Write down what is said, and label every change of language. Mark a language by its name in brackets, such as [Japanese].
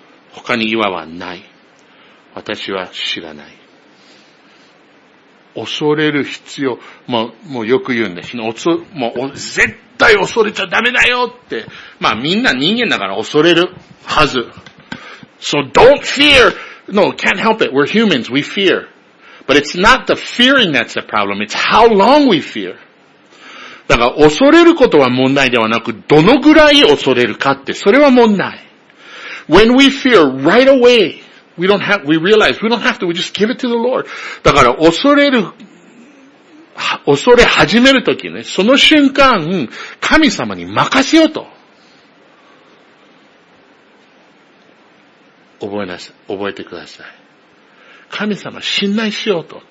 [Japanese] 他に岩はない。私は知らない。恐れる必要、もうよく言うんです。もう絶対恐れちゃダメだよって。まあみんな人間だから恐れるはず。 [English] So don't fear. No, can't help it. We're humans. We fear. But it's not the fearing that's the problem. It's how long we fear. [Japanese] だから恐れることは問題ではなく、どのぐらい恐れるかって、それは問題。 [English] When we fear right away, we just give it to the Lord. [Japanese] だから恐れ始めるときね、その瞬間、神様に任せようと。覚えてください。神様信頼しようと、